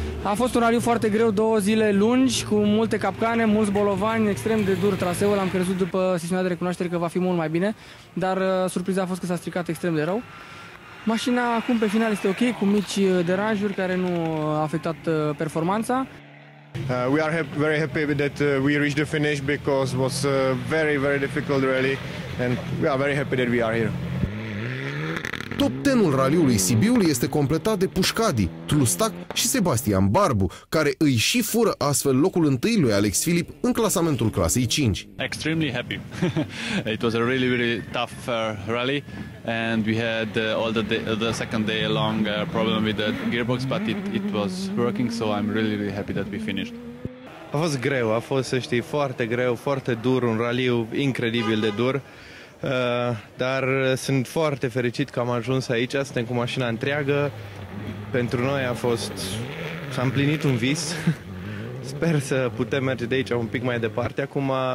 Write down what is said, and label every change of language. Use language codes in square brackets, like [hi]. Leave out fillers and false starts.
[ro] A fost un raliu foarte greu, două zile lungi, cu multe capcane, mulți bolovani, extrem de dur traseul. Am crezut după sesiunea de recunoaștere că va fi mult mai bine, dar surpriza a fost că s-a stricat extrem de rău. Mașina acum pe final este ok, cu mici deranjuri care nu au afectat performanța. [en] We are very happy that we reached the finish because it was a very, very difficult rally and we are very happy that we are here. [ro] Top 10-ul raliului Sibiu este completat de Pușcadi, Tlustac și Sebastian Barbu, care îi și fură astfel locul întâi lui Alex Filip în clasamentul clasei 5. [en] Extremely happy. It was a really, really tough rally and we had all the second day long problem with the gearbox, but it was working, so I'm really, really happy that we finished. [ro] A fost greu, a fost, să știi, foarte greu, foarte dur, un raliu incredibil de dur. Dar sunt foarte fericit că am ajuns aici, suntem cu mașina întreagă. Pentru noi a fost, s-a împlinit un vis. Sper să putem merge de aici un pic mai departe acum.